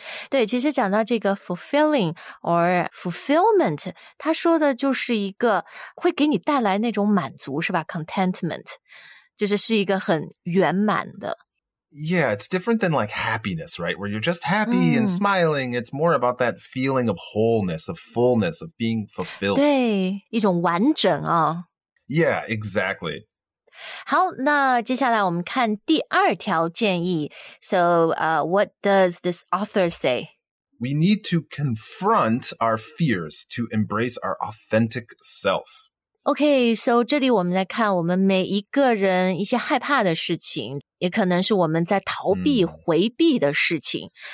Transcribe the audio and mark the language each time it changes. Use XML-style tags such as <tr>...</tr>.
<zh>对，其实讲到这个</zh> <en>fulfilling or fulfillment,</en> <zh>他说的就是一个会给你带来那种满足，是吧 ？Contentment, 就是一个很圆满的。</zh> <en>Yeah, it's different than like happiness, right? Where you're just happy and smiling. It's more about that feeling of wholeness, of fullness, of being fulfilled.</en> <zh>对，一种完整啊。</zh> <en>Yeah, exactly.</en> <zh>好，那接下来我们看第二条建议。</zh> <en>So, what does this author say? We need to confront our fears to embrace our authentic self. Okay, so</en> <zh>这里我们来看我们每一个人一些害怕的事情，也可能是我们在逃避、回避的事情。</zh>